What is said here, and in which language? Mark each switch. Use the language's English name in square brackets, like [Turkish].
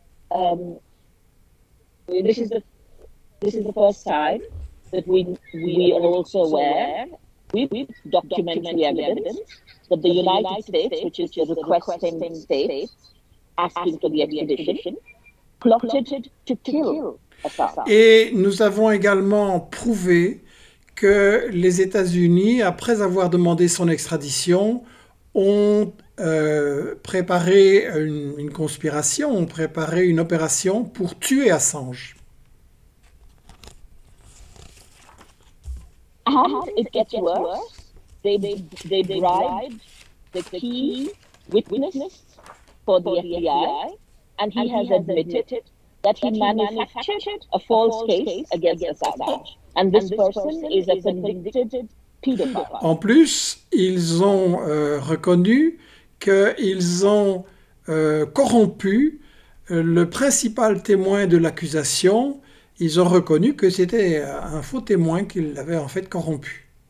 [English] This is the first time that we are also aware, we've documentary evidence that the United States, which is the requesting state, asking for the extradition, plotted to kill Assange. [French] Et nous avons également prouvé que les États-Unis, après avoir demandé son extradition, ont préparer une conspiration, préparer une opération pour tuer Assange. [English] And it gets worse. They bribed the key witness for the FBI, and he has admitted that he manufactured a false case against Assange. And this person is a convicted pedophile. [French] En plus, ils ont reconnu qu'ils ont corrompu le principal témoin de l'accusation. Ils ont reconnu que c'était un faux témoin qu'ils avaient en fait corrompu.